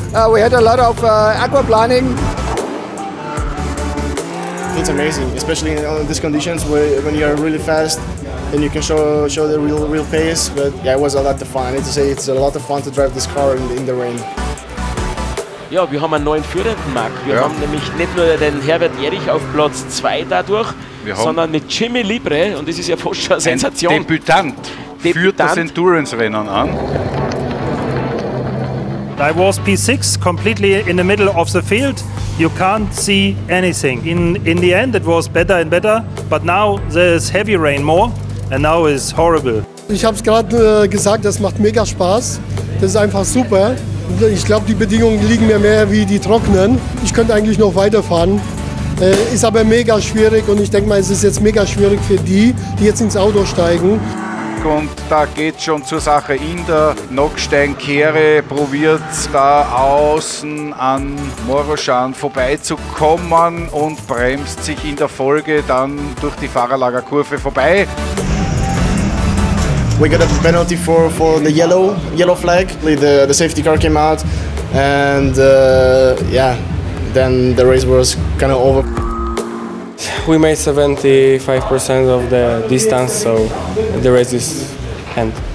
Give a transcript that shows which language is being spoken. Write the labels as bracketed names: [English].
[English] We had a lot of aquaplaning. It's amazing, especially in these conditions where when you are really fast and you can show the real pace. But yeah, it was a lot of fun. I need to say it's a lot of fun to drive this car in the rain. [German] Ja, wir haben einen neuen führenden Markt. Wir haben nämlich nicht nur den Herbert Jährich auf Platz 2 dadurch, sondern mit Jimmy Libre, und das ist ja fast schon eine Sensation. Ein Debütant führt das Endurance-Rennen an. [English] I was P6, completely in the middle of the field. You can't see anything. In the end it was better and better, but now there's heavy rain more and now it's horrible. [German] Ich habe es gerade gesagt, das macht mega Spaß. Das ist einfach super. Ich glaube, die Bedingungen liegen mir mehr wie die trockenen. Ich könnte eigentlich noch weiterfahren. Ist aber mega schwierig und ich denke mal, es ist jetzt mega schwierig für die, die jetzt ins Auto steigen. Und da geht es schon zur Sache. In der Nocksteinkehre probiert da außen an Moroschan vorbeizukommen und bremst sich in der Folge dann durch die Fahrerlagerkurve vorbei. [English] We got a penalty for the yellow flag. The safety car came out and then the race was kind of over. We made 75% of the distance, so the race is end.